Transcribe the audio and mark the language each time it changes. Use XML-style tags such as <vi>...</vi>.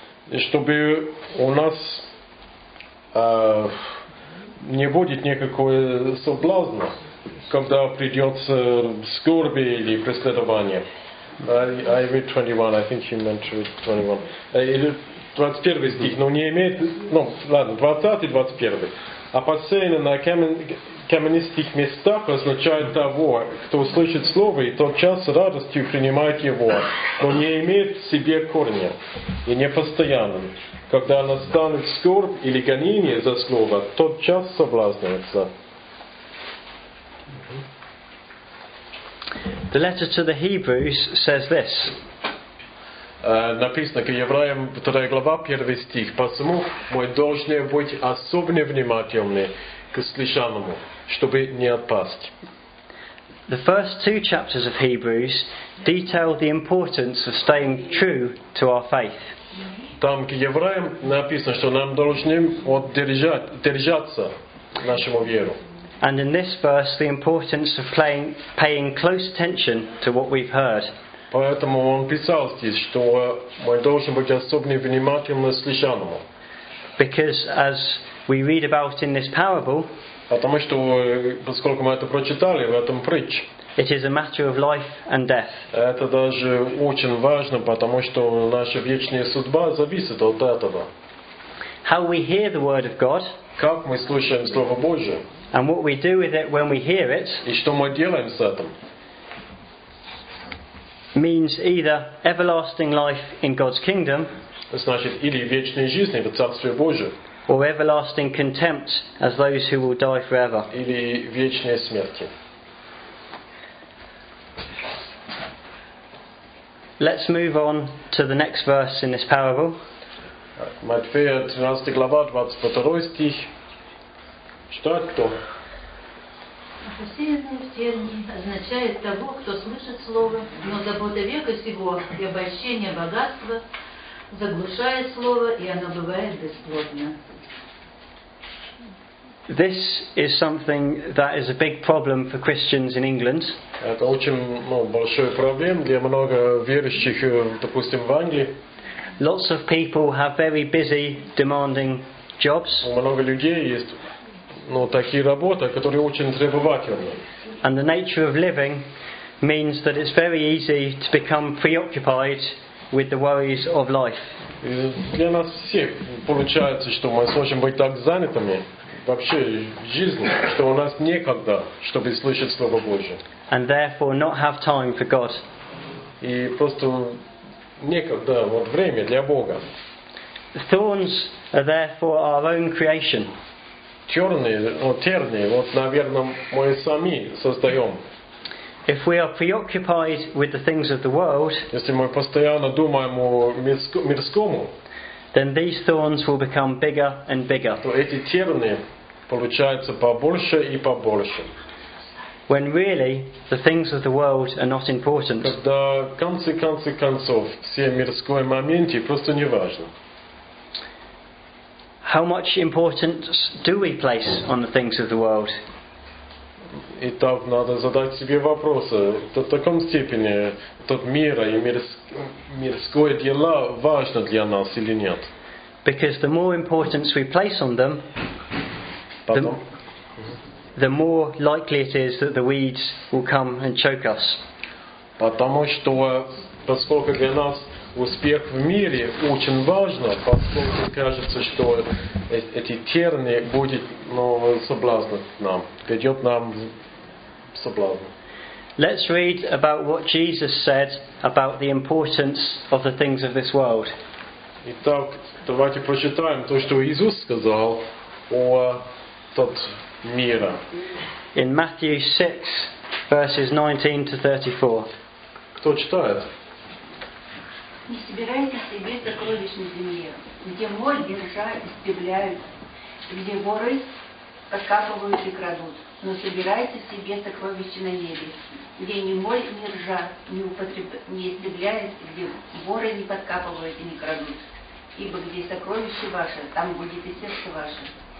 <ru>И чтобы у нас не будет никакого соблазна, когда придется скорби или преследование.</ru> <en>I read 21, I think you meant to read 21.</en> <ru>Или 21 стих, но не имеет... Ну, ладно, 20 и 21. Опасение на каменистых местах означает того, кто услышит слово, и тот час с радостью принимает его, но не имеет в себе корня и непостоянным. Когда настанет скорбь или гонение за слово, тот час соблазнится.</ru> <en>The letter to the Hebrews says this.</en> <ru>Написано к евреям, 2 глава, 1 стих. «Посему мы должны быть особенно внимательны к слышанному, чтобы не отпасть».</ru> <en>The first two chapters of Hebrews detail the importance of staying true to our faith.</en> <ru>Там к евреям написано, что нам должны держаться нашему веру.</ru> <en>And in this verse, the importance of paying close attention to what we've heard.</en> <ru>Поэтому он писал здесь, что мы должны быть особенно внимательны к слышанному.</ru> <en>Because as we read about in this parable,</en> <ru>потому что, поскольку мы это прочитали в этом притче,</ru> <en>it is a matter of life and death.</en> <ru>Это даже очень важно, потому что наша вечная судьба зависит от этого.</ru> <en>How we hear the word of God,</en> <ru>как мы слушаем Слово Божие,</ru> <en>and what we do with it when we hear it,</en> <ru>и что мы делаем с этим,</ru> <en>means either everlasting life in God's kingdom,</en> <ru>значит, или вечной жизни в Царстве Божьем,</ru> <en>or everlasting contempt as those who will die forever,</en> <ru>или вечной смерти.</ru> <en>Let's move on to the next verse in this parable.</en> <ru>Матфея 13 глава 22 стих. Читает кто? Посеянное в тернии означает того, кто слышит слово, но забота века сего и обольщение богатства заглушает слово, и оно бывает бесплодно.</ru> <en>This is something that is a big problem for Christians in England.</en> <ru>Это очень, ну, большая проблема для много верующих, допустим, в Англии.</ru> <en>Lots of people have very busy, demanding jobs.</en> <ru>Много людей есть, ну, такие работы, которые очень требовательны.</ru> <en>And the nature of living means that it's very easy to become preoccupied with the worries of life.</en> <ru>Для нас всех получается, что мы сможем быть так занятыми вообще жизнью, что у нас некогда, чтобы слышать Слово Божие.</ru> <en>And therefore not have time for God.</en> <ru>И просто некогда, вот время для Бога.</ru> <en>Thorns are therefore our own creation.</en> <ru>Черные, вот тернии, вот, наверное, мы сами создаем.</ru> <en>If we are preoccupied with the things of the world,</en> <ru>если мы постоянно думаем о мирском,</ru> <en>then these thorns will become bigger and bigger.</en> <ru>То эти тернии получаются побольше и побольше.</ru> <en>When really the things of the world are not important.</en> <ru>Когда в конце концов все мирские моменты просто не важны.</ru> <en>How much importance do we place on the things of the world?</en> <ru>И так надо задать себе вопросы. В таком степени тот мир и мирское дело важно для нас или нет?</ru> <en>Because the more importance we place on them, the more likely it is that the weeds will come and choke us.</en> <ru>Потому что поскольку для нас успех в мире очень важен, поскольку кажется, что эти тернии будут, ну, соблазнять нам, ведет нам соблазн.</ru> <en>Let's read about what Jesus said about the importance of the things of this world.</en> <ru>Итак, давайте прочитаем то, что Иисус сказал о тот мира.</ru> <en>In Matthew 6, verses 19 to 34.</en> <ru>Кто читает? Не собирайте себе сокровищ на земле, где моль и ржа истребляют, где воры подкапывают и крадут, но собирайте себе сокровища на небе, где ни моль, ни ржа не истребляют, где воры не подкапывают и не крадут, ибо где сокровище ваше, там будет и сердце ваше.</ru>